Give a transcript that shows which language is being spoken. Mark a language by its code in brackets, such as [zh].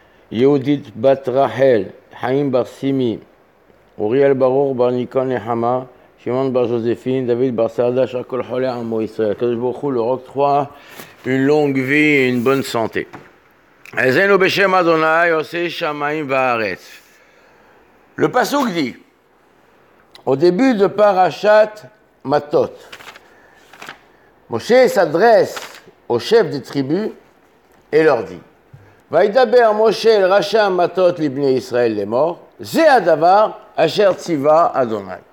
[he] יהודית בת רחל, חיים בר סימי, אוריאל ברוך בר ניקון נחמה, שמעון בר ג'וזפין, דוד בר סעדה, שרק כל חולי עמו ישראל. הקדוש ברוך הוא לרוק תחוה, [fr] une longue vie, une bonne santé. [he] עזנו בשם אדוני עושה שמיים וארץ. [fr] Le pasuk dit, au début de parashat Matot, Moshe s'adresse aux chefs des tribus et leur dit, [he] וידבר משה אל ראשי המטות לבני ישראל לאמור, זה הדבר אשר ציווה אדוני.